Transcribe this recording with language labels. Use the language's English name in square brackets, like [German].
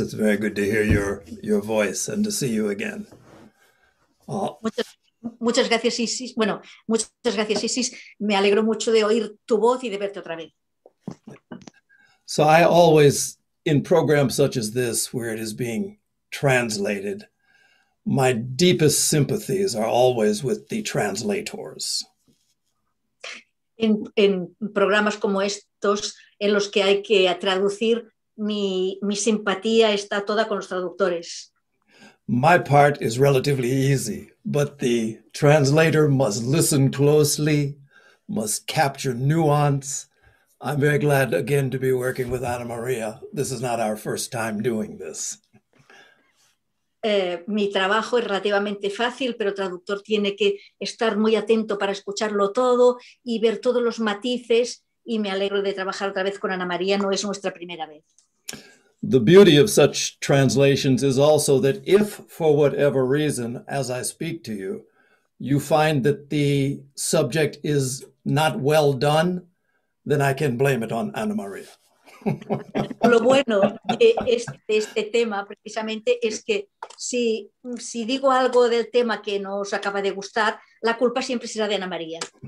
[English] It's very good to hear your voice and to see you again. [Spanish] Muchas gracias, Isis. Bueno, muchas gracias, Isis. Me alegro mucho de oír tu voz y de verte otra vez. [English] So I always, in programs such as this, where it is being translated, My deepest sympathies are always with the translators. [Spanish] En programas como estos, en los que hay que traducir, mi simpatía está toda con los traductores. [English] My part is relatively easy, but the translator must listen closely, must capture nuance. I'm very glad again to be working with Ana María. This is not our first time doing this. [Spanish] Mi trabajo es relativamente fácil, pero el traductor tiene que estar muy atento para escucharlo todo y ver todos los matices, y me alegro de trabajar otra vez con Ana María, no es nuestra primera vez. [English] The beauty of such translations is also that if, for whatever reason, as I speak to you, you find that the subject is not well done, then I can blame it on Ana María. [Spanish] Lo bueno de este tema precisamente es que si digo algo del tema que no os acaba de gustar, la culpa siempre será de Ana María.